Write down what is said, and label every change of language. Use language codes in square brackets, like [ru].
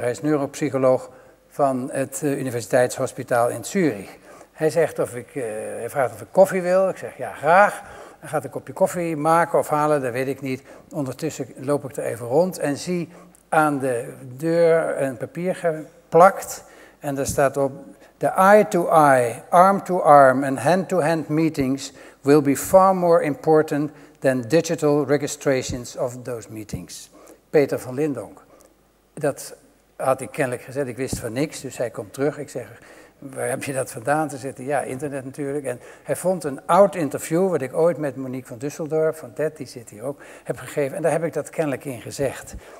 [nl] Hij is neuropsycholoog van het Universiteits Hospital in Zürich. Hij zegt of ik, hij vraagt of ik koffie wil. Ik zeg ja, graag. Dan gaat een kopje koffie maken of halen, dat weet ik niet. Ondertussen loop ik er even rond en zie aan de deur een papier geplakt. [en] En daar staat op: the eye-to-eye, arm-to-arm and hand-to-hand meetings will be far more important than digital registrations of those meetings. [nl] Peter van Lindonk. Dat had ik kennelijk gezegd, ik wist van niks, dus hij komt terug. Ik zeg, waar heb je dat vandaan te zitten? Ja, internet natuurlijk. En hij vond een oud interview, wat ik ooit met Monique van Dusseldorp, van TED, die zit hier ook, heb gegeven. En daar heb ik dat kennelijk in gezegd.